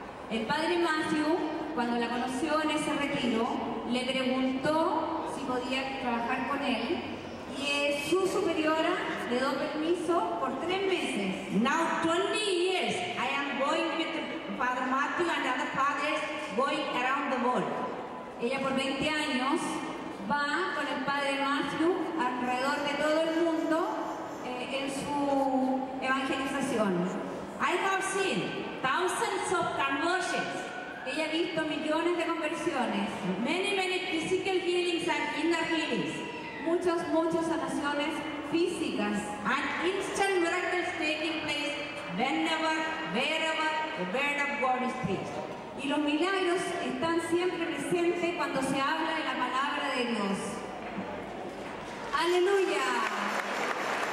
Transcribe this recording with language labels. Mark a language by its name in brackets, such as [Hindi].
[Spanish] El padre Matthew, cuando la conoció en ese retiro, le preguntó si podía trabajar con él y su superiora le dio permiso por tres meses. [English] Now 20 years, I am going with Father Matthew and other fathers going around the world. [Spanish] Ella por 20 años va con el padre Matthew alrededor de todo el mundo en su evangelización. [English] I have seen thousands of conversions. [Spanish] Ella ha visto millones de conversiones. [English] Many, many physical healings and inner healings. [Spanish] Muchas, muchas sanaciones físicas. [English] And instant miracles taking place whenever, wherever the word of God is preached. [Spanish] Y los milagros están siempre presentes cuando se habla de la palabra de Dios. Aleluya.